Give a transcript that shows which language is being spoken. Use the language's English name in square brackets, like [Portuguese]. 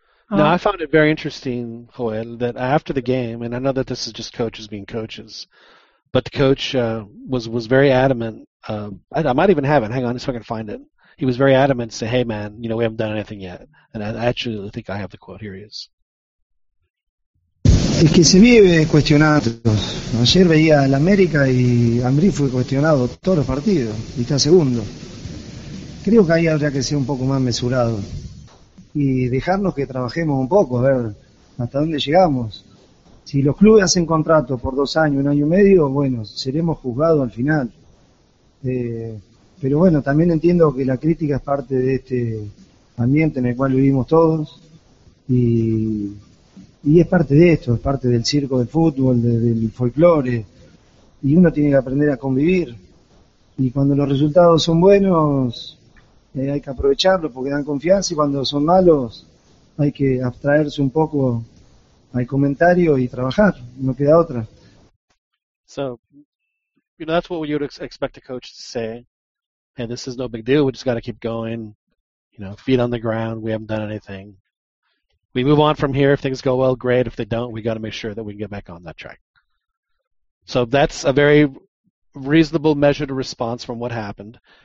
[English] Now, I found it very interesting, Joel, that after the game, and I know that this is just coaches being coaches, but the coach was very adamant. I might even have it. Hang on, so I can find it. He was very adamant to say, hey, man, you know, we haven't done anything yet. And I actually think I have the quote. Here he is. [Spanish] Es que se vive cuestionado. Ayer veía al América y Ambriz fue cuestionado todos los partidos. Y está segundo. Creo que ahí habría que ser un poco más mesurado. Y dejarnos que trabajemos un poco, a ver hasta dónde llegamos. Si los clubes hacen contrato por 2 años, 1 año y medio, bueno, seremos juzgados al final. Pero bueno, también entiendo que la crítica es parte de este ambiente en el cual vivimos todos. Y es parte de esto, es parte del circo del fútbol, del folclore. Y uno tiene que aprender a convivir. Y cuando los resultados son buenos, hay que aprovecharlos porque dan confianza. Y cuando son malos, hay que abstraerse un poco al comentario y trabajar. No queda otra. [English] So, you know, that's what you would expect a coach to say. Hey, this is no big deal. We just got to keep going. You know, feet on the ground. We haven't done anything. We move on from here. If things go well, great. If they don't, we got to make sure that we can get back on that track. So that's a very reasonable, measured response from what happened.